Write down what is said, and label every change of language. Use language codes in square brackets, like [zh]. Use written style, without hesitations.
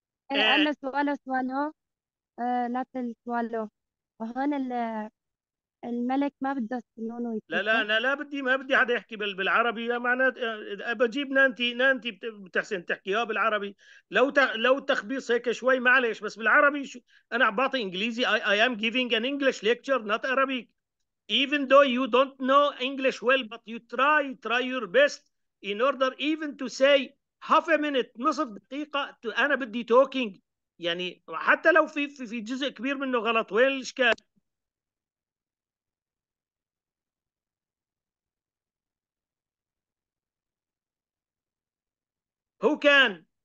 [ar] يعني قال له سوالو سوالو, لا تسوالو. وهون الملك ما بده سنونو لا لا, انا لا بدي, ما بدي حدا يحكي بالعربي, معناته بجيب نانتي بتحسن تحكيها بالعربي. لو تخبيص هيك شوي معلش, بس بالعربي انا عم بعطي انجليزي. [en] I am giving an English lecture, not Arabic. Even though you don't know English well, but you try your best in order even to say half a minute, [ar] نصف دقيقة, انا بدي [en] talking. [ar] يعني حتى لو في جزء كبير منه غلط, وين الاشكال؟ [en] Who can?